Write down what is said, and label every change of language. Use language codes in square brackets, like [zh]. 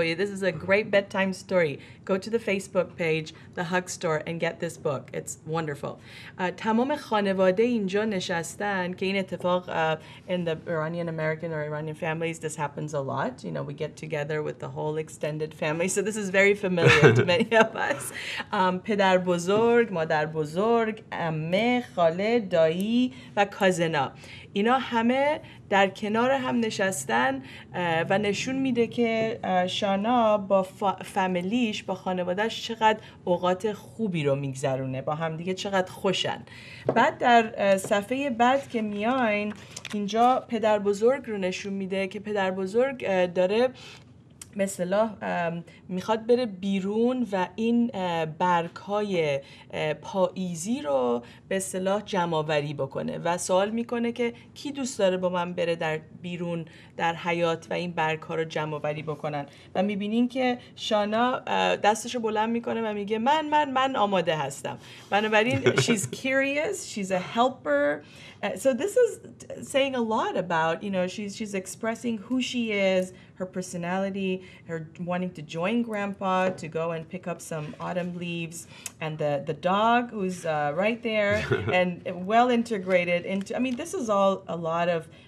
[en] This is a great bedtime story. Go to the Facebook page, The Hug Store, and get this book. It's wonderful. [fa] تمام خانواده اینجا نشستن که این اتفاق [en] in the Iranian American or Iranian families, this happens a lot. You know, we get together with the whole extended family. So this is very familiar to many of us. [fa] پدر بزرگ, مادر بزرگ, عمه, خاله, دایی و کوزن. اینا همه در کنار هم نشستن و نشون میده که شانا با فامیلیش, با خانوادهش چقدر اوقات خوبی رو میگذرونه, با هم دیگه چقدر خوشن. بعد در صفحه بعد که میاین, اینجا پدر بزرگ رو نشون میده که پدر بزرگ داره مثلا میخواد بره بیرون و این برگ‌های پاییزی رو به اصطلاح جمع‌آوری بکنه و سوال میکنه که کی دوست داره با من بره در بیرون در حیات و این برگ‌ها رو جمع‌آوری بکنن, و میبینین که شانا دستش رو بلند میکنه و میگه من آماده هستم. بنابراین [en] she's curious, she's a helper. So this is saying a lot about, you know, she's expressing who she is, her personality, her wanting to join grandpa to go and pick up some autumn leaves, and the dog who's right there and well integrated into, I mean, this is all a lot of